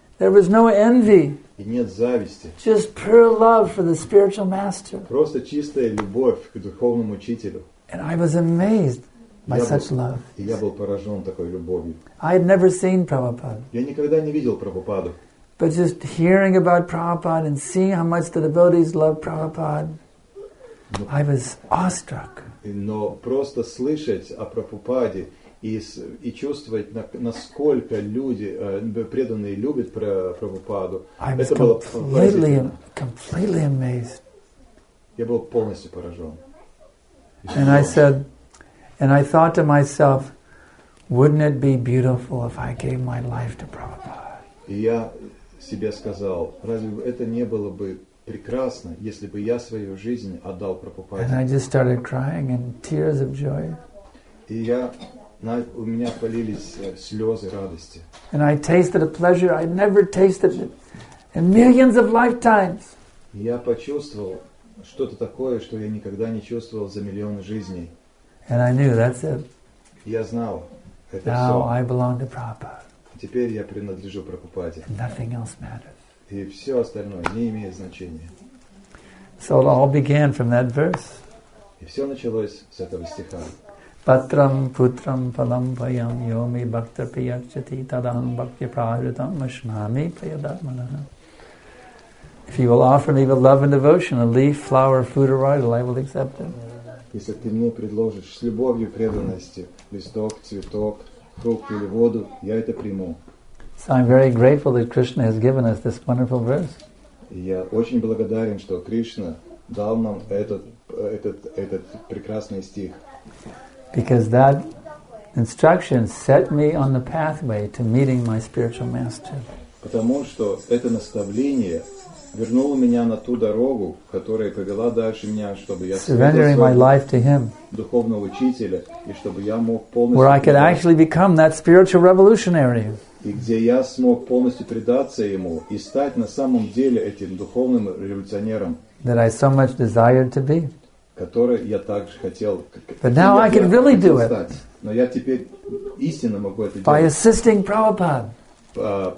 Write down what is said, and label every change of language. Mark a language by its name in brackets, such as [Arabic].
[English] There was no envy. [Russian] И нет зависти. [English] Just pure love for the spiritual master. [Russian] Просто чистая любовь к духовному учителю. [English] And I was amazed by such love. [Russian] Я был поражен такой любовью. [English] I had never seen Prabhupada. [Russian] Я никогда не видел Прабхупаду. [English] But just hearing about Prabhupada and seeing how much the devotees love Prabhupada, I was awestruck. [Russian] Но просто слышать о Прабхупаде и чувствовать, насколько люди преданные любят Прабхупаду, [English] I was completely amazed. [Russian] Я был полностью поражен. [English] And I said, and I thought to myself, wouldn't it be beautiful if I gave my life to Prabhupada? [Russian] И я себе сказал, разве это не было бы прекрасно, если бы я свою жизнь отдал Прабхупаде? [English] And I just started crying in tears of joy. [Russian] И у меня полились слезы радости. [English] And I tasted a pleasure I never tasted it in millions of lifetimes. [Russian] Я почувствовал что-то такое, что я никогда не чувствовал за миллионы жизней. [English] And I knew, that's it. [Russian] Я знал, это [English] Now I belong to Prabhupada. [Russian] Теперь я принадлежу Прабхупаде. [English] And nothing else matters. [Russian] И все остальное не имеет значения. [English] So it all began from that verse. [Russian] И все началось с этого стиха. [Sanskrit] Патрам путрам палам паям йоми бхактар пиярчати тадам бхакти прахритам машнами паядатманаха. [English] If you will offer me with love and devotion, a leaf, flower, food, or idol, I will accept it. [Russian] Если ты мне предложишь с любовью преданности листок, цветок, фрукт или воду, я это приму. [English] So I'm very grateful that Krishna has given us this wonderful verse. [Russian] Я очень благодарен, что Кришна дал нам этот прекрасный стих. [English] Because that instruction set me on the pathway to meeting my spiritual master. [Russian] Потому что это наставление вернул меня на ту дорогу, которая повела дальше меня, чтобы я свел духовного учителя, и чтобы я мог полностью [English] Where I could actually become that spiritual revolutionary. [Russian] И где я смог полностью предаться ему и стать на самом деле этим духовным революционером, [English] that I so much desired to be. [Russian] Который я также хотел, [English] But now I could really do it. [Russian] Но я теперь истинно могу это делать. [English] By assisting Prabhupada.